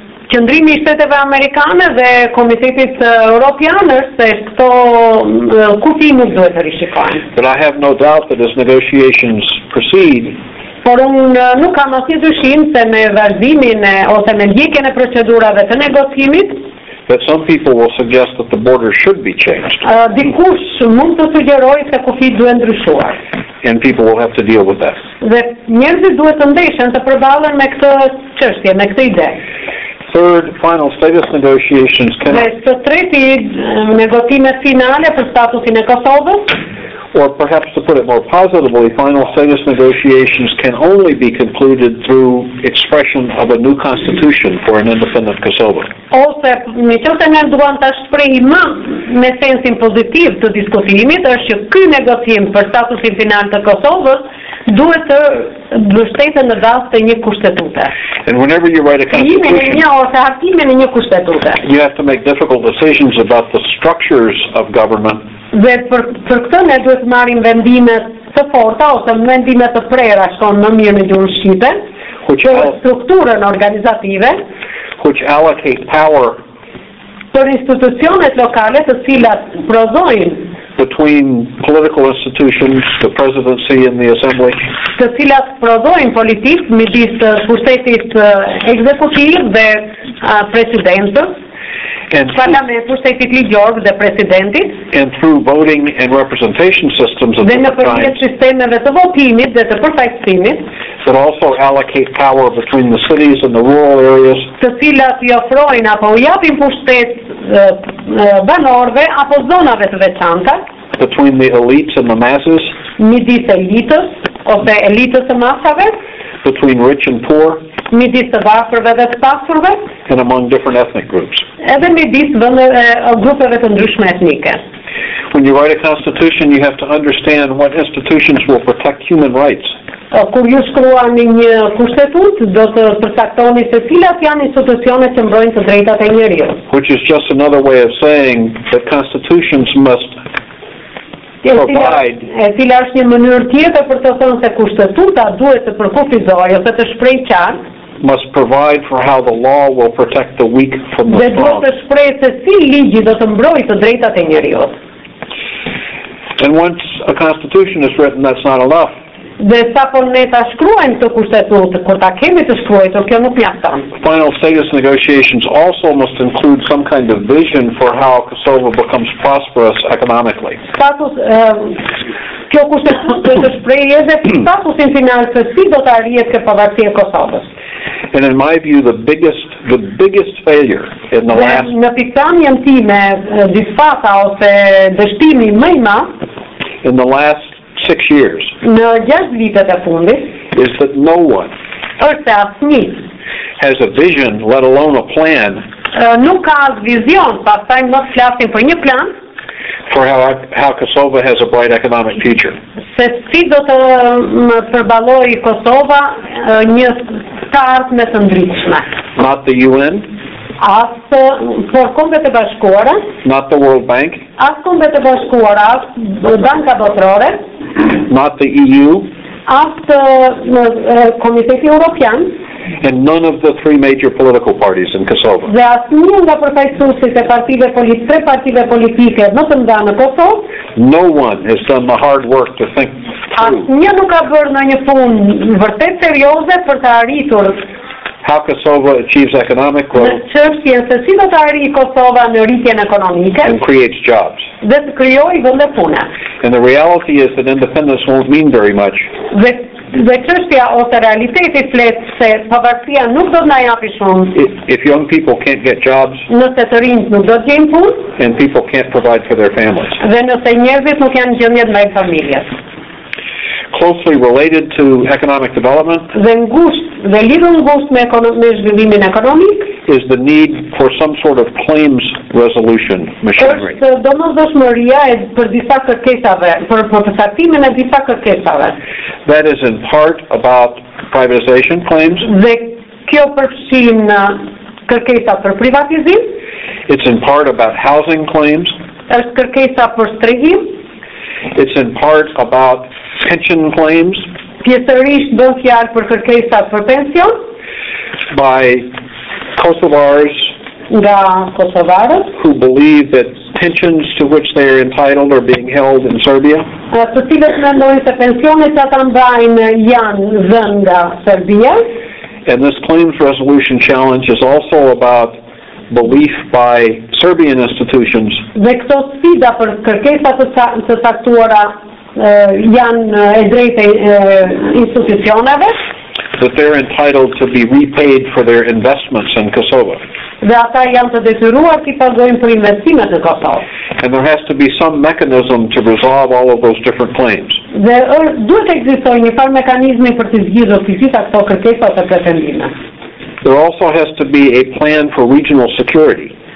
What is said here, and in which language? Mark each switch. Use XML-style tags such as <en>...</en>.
<sq>Qëndrimi I Shteteve Amerikane dhe Komitetit Evropian është se këto kufi nuk duhet të rishikojnë.</sq> <en>But I have no doubt that as negotiations proceed,</en> <sq>por unë nuk kam asnjë dyshim se me vazhdimin ose me ndjekjen e procedurave të negocimit,</sq> <en>that some people will suggest that the border should be changed.</en> <sq>Dikush mund të sugjerojë se kufi duhet ndryshuar.</sq> <en>And people will have to deal with that.</en> <sq>Dhe njerëzit duhet të ndeshen të përballen me këtë çështje, me këtë ide.</sq> <en>third final status negotiations can...</en> <sq>Questo treti negozime finale per status in Kosovo.</sq> <en>Or perhaps to put it more positively, final status negotiations can only be concluded through expression of a new constitution for an independent Kosovo.</en> <sq>Ose, në që të nërduan të shprej më me sensin pozitiv të diskutimit, është që këj negocim për statusin final të Kosovës duhet të mbështetet në bazë të një kushtetute.</sq> <en>And whenever you write a constitution, you have to make difficult decisions about the structures of government.</en> <sq>Dhe për këtë ne duhet të marrim vendime të forta ose vendime të prera, shkon më mirë në gjuhën shqipe, për strukturën organizative,</sq> <en>which allocate power,</en> <sq>për institucionet lokale të cilat prozojnë</sq> <en>between political institutions, the presidency and the assembly,</en> <sq>të cilat prodhojnë politik midis pushtetit ekzekutiv dhe presidentit,</sq> <en>and through voting and representation systems of different kinds that also allocate power between the cities and the rural areas,</en> <sq>të cilat i ofrojnë apo japin pushtet banorve apo zonave të veçanta,</sq> <en>between the elites and the masses,</en> <sq>midis elitës ose elitës së masave,</sq> <en>between rich and poor,</en> <sq>midis të varfërve dhe të pasurve,</sq> <en>and among different ethnic groups,</en> <sq>edhe midis grupeve të ndryshme etnike.</sq> <en>When you write a constitution, you have to understand what institutions will protect human rights.</en> <sq>Kur ju shkruani një kushtetut, do të përcaktoni se cilat janë institucionet që mbrojnë të drejtat e njeriut.</sq> <en>Which is just another way of saying that constitutions must provide.</en> <sq>E cila është një mënyrë tjetër për të thënë se kushtetuta duhet të përkufizojë ose të shprehë qartë.</sq> <en>Must provide for how the law will protect the weak from the strong.</en> <sq>Dhe duhet të shprehë se si ligji do të mbrojë të drejtat e njeriut.</sq> <en>And once a constitution is written, that's not enough.</en> <sq>Dhe sa po ne ta shkruajmë të kushtetutë, kur ta kemi të shkruajtur, kjo nuk mjafton.</sq> <en>Final status negotiations also must include some kind of vision for how Kosovo becomes prosperous economically.</en> <sq>Kjo kushtetutë duhet të shprehë edhe statusin final se si do të arrijet ke pavarësia e Kosovës.</sq> <en>And in my view, the biggest failure in the last...</en> <sq>Në pikëmarrjen time, disfata ose dështimi më i madh</sq> <en>in the last 6 years,</en> <sq>në 6 vitet e fundit,</sq> <en>is that no one has a vision, let alone a plan,</en> <sq>nuk ka as vizion, pastaj mos flasim për një plan,</sq> <en>for how Kosovo has a bright economic future.</en> <sq>Se si do të përballoj Kosova një start me të ndritshme.</sq> <en>Not the UN.</en> <sq>As për Kombet e Bashkuara.</sq> <en>Not the World Bank.</en> <sq>As Kombet e Bashkuara, as Banka Botërore.</sq> <en>Not the EU.</en> <sq>As Komiteti Evropian.</sq> <en>And none of the three major political parties in Kosovo.</en> <sq>Dhe as një nga përfaqësuesit e partive politike, tre partive politike, më të mëdha në Kosovë.</sq> <en>No one has done the hard work to think through.</en> <sq>As një nuk ka bërë në një punë vërtet serioze për të arritur</sq> <en>how Kosovo achieves economic growth,</en> <sq>çështjen se si do të arrijë Kosova në rritjen ekonomike,</sq> <en>and creates jobs,</en> <sq>dhe të krijojë vende pune.</sq> <en>And the reality is that independence won't mean very much.</en> <sq>Dhe çështja ose realiteti flet se pavarësia nuk do të na japë shumë.</sq> <en>If young people can't get jobs,</en> <sq>nëse të rinjtë nuk do të gjejnë punë,</sq> <en>and people can't provide for their families,</en> <sq>dhe nëse njerëzit nuk janë gjendje të mbajnë familjes.</sq> <en>Closely related to economic development,</en> <sq>dhe lidhur ngushtë me zhvillimin ekonomik,</sq> <en>is the need for some sort of claims resolution machinery.</en> <sq>Është domosdoshmëria për disa kërkesave, për përfaqësimin e disa kërkesave.</sq> <en>That is in part about privatization claims.</en> <sq>Dhe kjo përfshin kërkesa për privatizim.</sq> <en>It's in part about housing claims.</en> <sq>Është kërkesa për strehim.</sq> <en>It's in part about pension claims.</en> <sq>Pjesërisht bën fjalë për kërkesa për pension.</sq> <en>By Kosovars,</en> <sq>nga Kosovarët,</sq> <en>who believe that pensions to which they are entitled are being held in Serbia.</en> <sq>Të cilët mendojnë se pensionet që ata mbajnë janë dhënë nga Serbia.</sq> <en>And this claims resolution challenge is also about belief by Serbian institutions.</en> <sq>Dhe këto sfida për kërkesa të caktuara janë e drejtë institucioneve.</sq> <en>that they're entitled to be repaid for their investments in Kosovo. And there has to be some mechanism to resolve all of those different claims. There also has to be a plan for regional security.</en>